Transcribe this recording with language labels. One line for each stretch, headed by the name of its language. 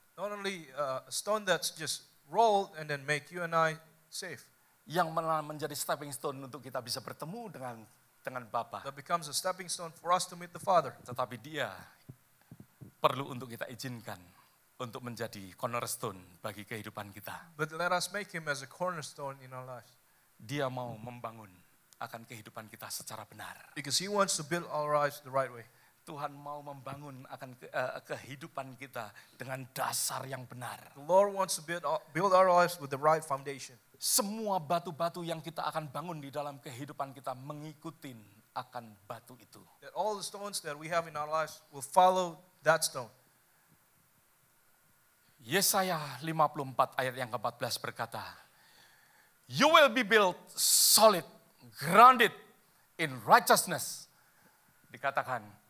English: Not only a stone that's just rolled and then make you and I safe.
Indonesian: Yang menjadi stepping stone untuk kita bisa bertemu dengan Bapa.
English: That becomes a stepping stone for us to meet the Father.
Indonesian: Tetapi dia perlu untuk kita izinkan untuk menjadi cornerstone bagi kehidupan kita.
English: But let us make him as a cornerstone in our lives.
Indonesian: Dia mau membangun akan kehidupan kita secara benar.
English: Because he wants to build our lives the right way.
Indonesian: Tuhan mau membangun akan kehidupan kita dengan dasar yang benar.
English: The Lord wants to build our lives with the right foundation.
Indonesian: Semua batu-batu yang kita akan bangun di dalam kehidupan kita mengikutin akan batu itu.
English: That all the stones that we have in our lives will follow that stone.
Indonesian: Yesaya 54 ayat yang ke-14 berkata,
English: "You will be built solid, grounded in righteousness."
Indonesian: Dikatakan,